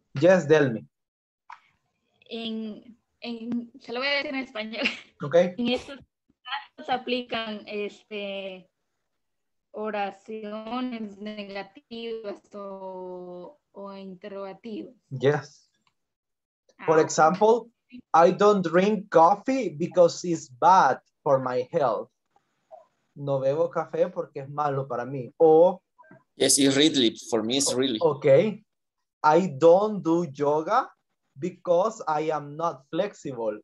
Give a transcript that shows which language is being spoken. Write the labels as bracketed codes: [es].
[en] Yes, tell me. [es] En, se lo voy a decir en español. [en] Ok. [es] En estos casos aplican este, oraciones negativas o interrogativas. [en] Yes. For example, I don't drink coffee because it's bad for my health. [es] No bebo café porque es malo para mí. O. [en] Yes, it's really, for me it's really. Okay. I don't do yoga because I am not flexible.